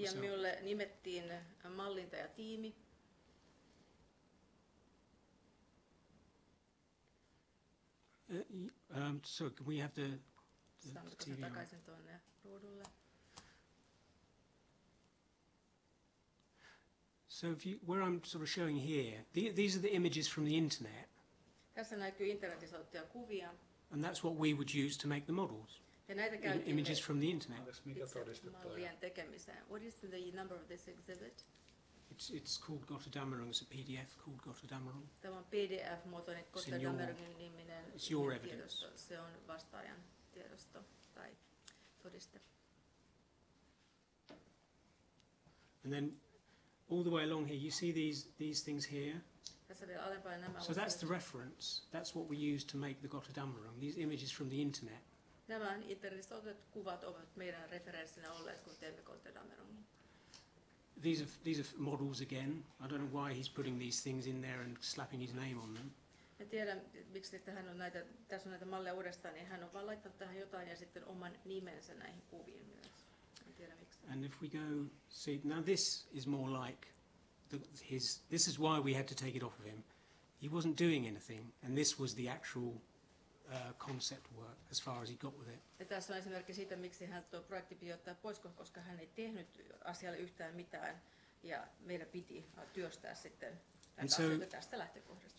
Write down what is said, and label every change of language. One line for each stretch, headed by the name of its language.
English: myself.
Finnish: Ja minulle nimettiin mallintajatiimi.
English: So can we have the TV
Finnish: takaisin tuonne ruudulle?
English: So if you, where I'm sort of showing here, these are the images from the internet.
Finnish: Tässä näkyy internetissä otettuja kuvia.
English: And that's what we would use to make the models.
Finnish: Ja näitä käytimme
English: images from the internet.
Finnish: Mallien tekemiseen.
English: What is the number of this exhibit? It's called Götterdämmerung. It's a PDF called Götterdämmerung.
Finnish: Tämä on PDF-muotoinen Götterdämmerungin niminen.
English: It's your evidence.
Finnish: Se on vastaajan tiedosto tai todiste.
English: And then all the way along here, you see these things here. So that's the reference. That's what we use to make the Götterdämmerung. These images from the internet.
Finnish: Nämä internetissä otetut kuvat ovat meidän referenssinä olleet, kun teemme Götterdämmerungin.
English: These are models again. I don't know why he's putting these things in there and slapping his name on them.
Finnish: En tiedä, miksi hän on näitä, tässä on näitä malleja uudestaan, niin hän on vaan laittanut tähän jotain ja sitten oman nimensä näihin kuviin myös.
English: And if we go see, now this is more like this is why we had to take it off of him. He wasn't doing anything, and this was the actual concept work as far as he got with it.
Finnish: Ja tässä on esimerkki siitä, miksi hän tuo projekti piti ottaa pois, koska hän ei tehnyt asialle yhtään mitään, ja meidän piti työstää sitten asioita tästä lähtökohdasta.